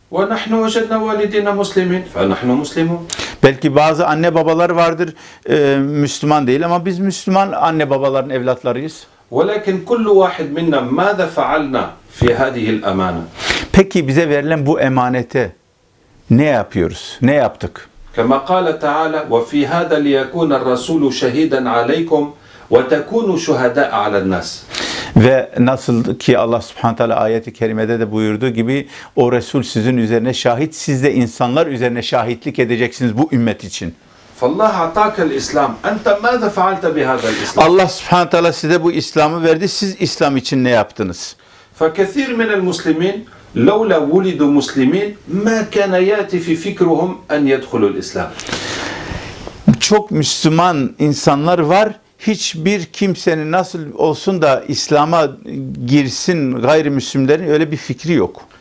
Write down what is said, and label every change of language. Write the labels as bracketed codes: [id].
[ar] وَنَحْنُ وَجَدْنَا وَالِدِينَ مُسْلِمِينَ فَنَحْنُ مُسْلِمُونَ [tr] Belki bazı anne babalar vardır Müslüman değil ama biz Müslüman anne babaların evlatlarıyız. [ar] وَلَكِنْ كُلُّ وَاحِدْ مِنَّا مَاذَا فَعَلْنَا فِي هَذِهِ الْأَمَانَةِ [tr] Peki bize verilen bu emanete ne yapıyoruz? Ne yaptık? [ar] كما قال تعالى وفي هذا ليكون الرسول شهيدا عليكم وتكونوا شهداء على الناس. [tr] Ve nasıl ki Allah Subhanahu Teala ayeti kerimede de buyurduğu gibi o resul sizin üzerine şahit, siz de insanlar üzerine şahitlik edeceksiniz bu ümmet için. [ar] فالله أعطاك الإسلام. أنت ماذا فعلت بهذا الإسلام؟ [tr] Allah Subhanahu Teala size bu İslam'ı verdi. Siz İslam için ne yaptınız? [ar] فكثير من المسلمين لولا ولدوا مسلمين ما كان ياتي في فكرهم ان يدخلوا الاسلام [tr] Çok Müslüman insanlar var. Hiçbir kimsenin nasıl olsun da İslam'a girsin gayrimüslimlerin öyle bir fikri yok.